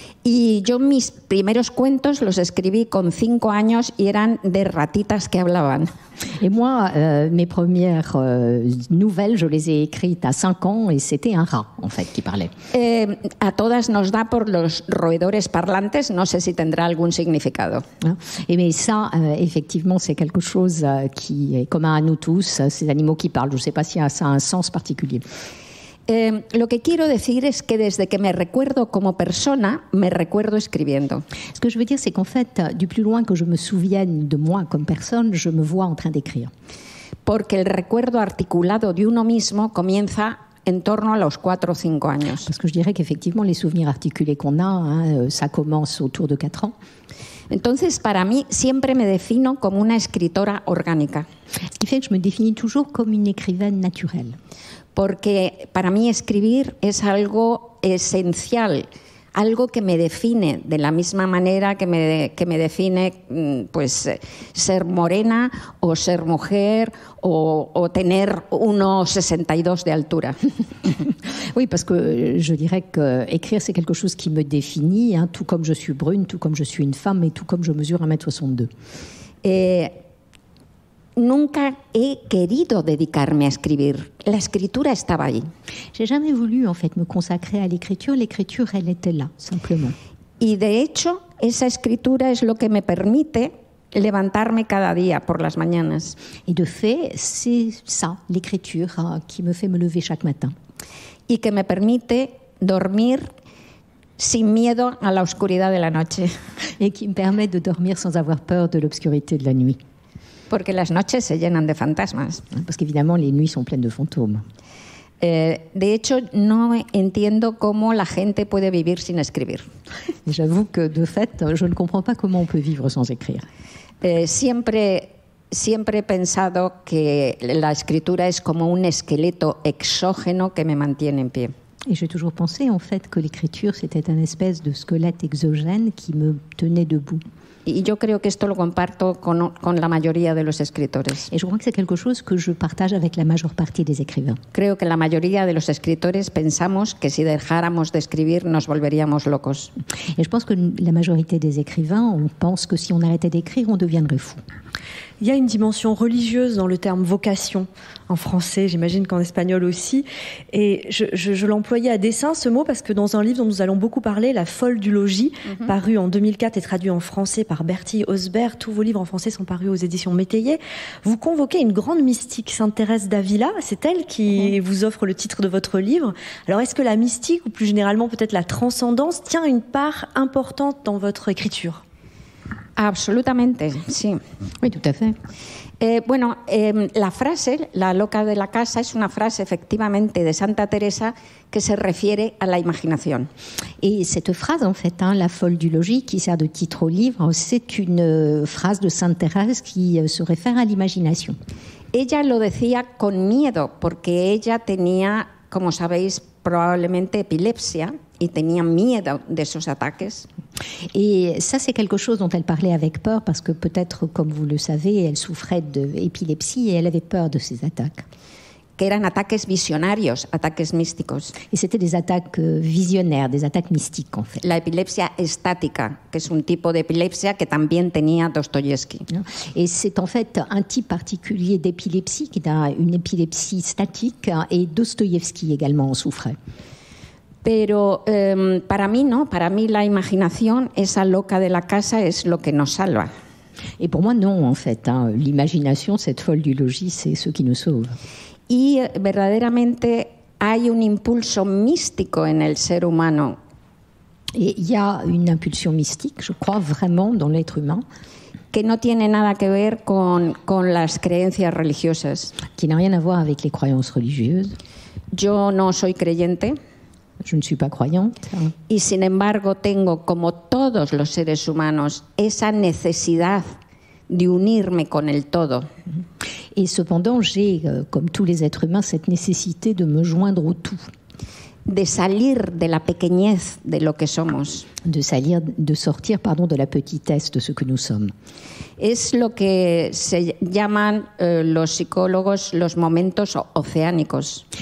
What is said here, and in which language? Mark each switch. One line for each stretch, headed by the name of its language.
Spanish: Y yo mis primeros cuentos los escribí con 5 años y eran de ratitas que hablaban.
French: Et moi, mes premières nouvelles, je les ai écrites à 5 ans et c'était un rat, en fait, qui parlait.
Spanish: A todas nos da por los roedores parlantes, no sé si tendrá algún significado.
French: Et mais ça, effectivement, c'est quelque chose qui est commun à nous tous, ces animaux qui parlent. Je ne sais pas si ça a un sens particulier.
Spanish: Lo que quiero decir es que desde que me recuerdo como persona, me recuerdo escribiendo.
French: Ce que je veux dire, c'est qu'en fait, du plus loin que je me souvienne de moi comme personne, je me vois en train d'écrire.
Spanish: Porque el recuerdo articulado de uno mismo comienza en torno a los 4 o 5 años.
French: Parce que je dirais qu'effectivement, les souvenirs articulés qu'on a, hein, ça commence autour de 4 ans.
Spanish: Entonces, para mí, siempre me defino como una escritora orgánica.
French: Ce qui fait que je me définis toujours comme une écrivaine naturelle.
Spanish: Porque para mí escribir es algo esencial, algo que me define de la misma manera que me define pues ser morena o ser mujer o tener 1,62 de altura.
French: Oui, parce que je dirais que écrire c'est quelque chose qui me définit, hein, tout comme je suis brune, tout comme je suis une femme et tout comme je mesure 1,62 m.
Spanish: Nunca he querido dedicarme a escribir. La escritura estaba ahí.
French: J'ai jamais voulu en fait me consacrer à l'écriture. L'écriture, elle était là, simplement.
Spanish: Y de hecho, esa escritura es lo que me permite levantarme cada día por las mañanas.
French: Et de fait, c'est ça, l'écriture, hein, qui me fait me lever chaque matin.
Spanish: Y que me permite dormir sin miedo a la oscuridad de la noche.
French: Et qui me permet de dormir sans avoir peur de l'obscurité de la nuit.
Spanish: Porque las noches se llenan de fantasmas.
French: Parce qu'évidemment, les nuits sont pleines de fantômes.
Spanish: De hecho, no entiendo cómo la gente puede vivir sin escribir.
French: J'avoue que, de fait, je ne comprends pas comment on peut vivre sans écrire.
Spanish: Siempre he pensado que la escritura es como un esqueleto exógeno que me mantiene en pie.
French: Et j'ai toujours pensé, en fait, que l'écriture, c'était un espèce de squelette exogène qui me tenait debout.
Spanish: Y yo creo que esto lo comparto con la mayoría de los escritores.
French: Et je crois que c'est quelque chose que je partage avec la majeure partie des écrivains.
Spanish: Creo que la mayoría de los escritores pensamos que si dejáramos de escribir nos volveríamos locos.
French: Et je pense que la majorité des écrivains on pense que si on arrêtait d'écrire on deviendrait fou. Il y a une dimension religieuse dans le terme vocation en français, j'imagine qu'en espagnol aussi. Et je l'employais à dessein ce mot parce que dans un livre dont nous allons beaucoup parler, La folle du logis, mm-hmm. paru en 2004 et traduit en français par Bertie Osberg, tous vos livres en français sont parus aux éditions Métayer, vous convoquez une grande mystique, Sainte Thérèse d'Avila, c'est elle qui mm-hmm. vous offre le titre de votre livre. Alors est-ce que la mystique, ou plus généralement peut-être la transcendance, tient une part importante dans votre écriture ?
Spanish: Absolutamente, sí.
French: Oui, tout à fait.
Spanish: La frase, la loca de la casa, es una frase efectivamente de Santa Teresa que se refiere a la imaginación.
French: Et cette phrase, en fait, hein, la folle du logis, qui sert de titre au livre, c'est une phrase de Sainte Thérèse qui se réfère à l'imagination.
Spanish: Ella lo decía con miedo, porque ella tenía, como sabéis, probablemente epilepsia. Y tenía miedo de esos ataques.
French: Et ça, c'est quelque chose dont elle parlait avec peur, parce que peut-être, comme vous le savez, elle souffrait d'épilepsie et elle avait peur de ces attaques.
Spanish: Que eran ataques visionarios, ataques místicos.
French: Et c'était des attaques visionnaires, des attaques mystiques, en fait.
Spanish: La epilepsia estática, que es un tipo de epilepsia que también tenía Dostoyevsky.
French: Et c'est en fait un type particulier d'épilepsie, qui est une épilepsie statique, et Dostoyevsky également en souffrait.
Spanish: Pero para mí no, para mí la imaginación, esa loca de la casa, es lo que nos salva. Y por mí no,
French: en fait, hein. L'imaginación, cette folle du logis,
Spanish: es lo que nos
French: sauve.
Spanish: Y verdaderamente hay un impulso místico en el ser humano.
French: Et il y a une impulsion mystique, je crois vraiment, dans l'être humain.
Spanish: Que no tiene nada que ver con las creencias religiosas.
French: Qui n'a rien à voir avec les croyances religieuses.
Spanish: Yo no soy creyente.
French: Je ne suis pas croyante.
Spanish: Y sin embargo, tengo como todos los seres humanos esa necesidad de unirme con el todo.
French: Et cependant, j'ai comme tous les êtres humains cette nécessité de me joindre au tout.
Spanish: De salir de la pequeñez de lo que somos.
French: De sortir de la petitesse de ce que nous sommes.
Spanish: Es lo que se llaman los psicólogos los momentos oceánicos.